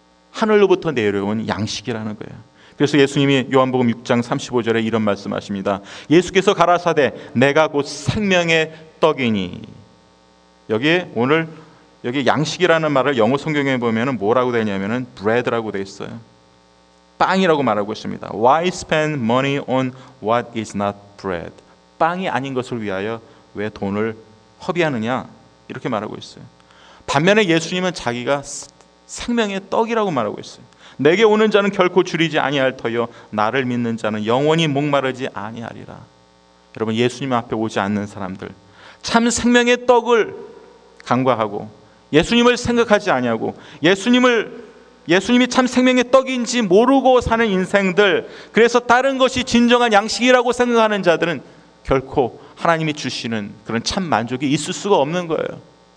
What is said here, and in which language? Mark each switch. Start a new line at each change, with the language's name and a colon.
Korean: 하늘로부터 내려온 양식이라는 거예요. 그래서 예수님이 요한복음 6장 35절에 이런 말씀하십니다. 예수께서 가라사대 내가 곧 생명의 떡이니. 여기 오늘 여기 양식이라는 말을 영어 성경에 보면은 뭐라고 되냐면은 bread라고 돼 있어요. 빵이라고 말하고 있습니다.
English: Why spend money on what is not bread?
Korean: 빵이 아닌 것을 위하여 왜 돈을 허비하느냐 이렇게 말하고 있어요. 반면에 예수님은 자기가 생명의 떡이라고 말하고 있어요. 내게 오는 자는 결코 줄이지 아니할 터여 나를 믿는 자는 영원히 목마르지 아니하리라. 여러분 예수님 앞에 오지 않는 사람들 참 생명의 떡을 간과하고 예수님을 생각하지 아니하고 예수님이 참 생명의 떡인지 모르고 사는 인생들 그래서 다른 것이 진정한 양식이라고 생각하는 자들은 결코 하나님이 주시는 그런 참 만족이 있을 수가 없는 거예요.